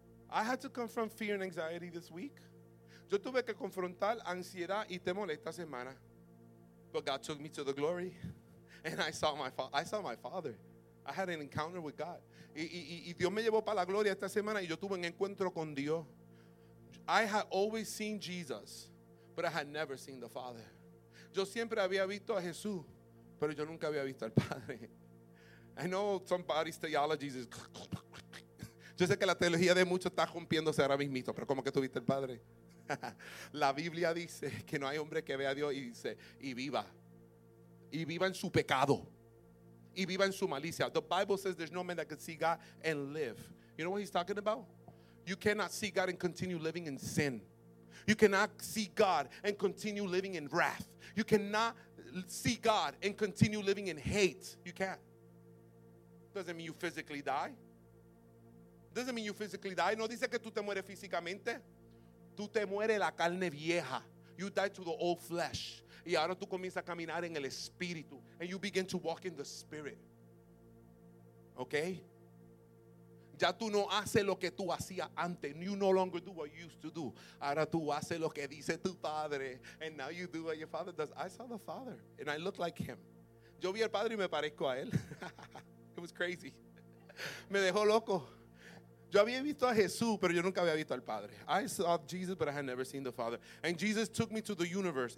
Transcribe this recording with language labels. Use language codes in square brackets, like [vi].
[en] I had to confront fear and anxiety this week. [es] Yo tuve que confrontar ansiedad y temor esta semana. [en] But God took me to the glory. And I saw my father. I had an encounter with God. [es] Y Dios me llevó para la gloria esta semana y yo tuve un encuentro con Dios. [en] I had always seen Jesus, but I had never seen the Father. [es] Yo siempre había visto a Jesús, pero yo nunca había visto al Padre. [en] I know somebody's theology is... [es] Yo sé que la teología de muchos está rompiéndose ahora mismito, pero ¿cómo que tú viste al Padre? La Biblia dice que no hay hombre que vea a Dios y dice, y viva en su pecado, y viva en su malicia. [en] The Bible says there's no man that can see God and live. You know what he's talking about? You cannot see God and continue living in sin. You cannot see God and continue living in wrath. You cannot see God and continue living in hate. You can't. Doesn't mean you physically die. doesn't mean you physically die. [es] No dice que tú te mueres físicamente. Tú te mueres la carne vieja. [en] You die to the old flesh. [es] Y ahora tú comienzas a caminar en el espíritu. [en] And you begin to walk in the spirit. Okay? [es] Ya tú no haces lo que tú hacías antes. [en] You no longer do what you used to do. [es] Ahora tú haces lo que dice tu padre. [en] And now you do what your father does. I saw the father. And I look like him. [es] Yo vi al padre y me parezco a él. [en] It was crazy. [es] Me dejó loco. Yo había visto a Jesús, pero yo nunca había visto al Padre. [en] I saw Jesus, but I had never seen the Father. And Jesus took me to the universe.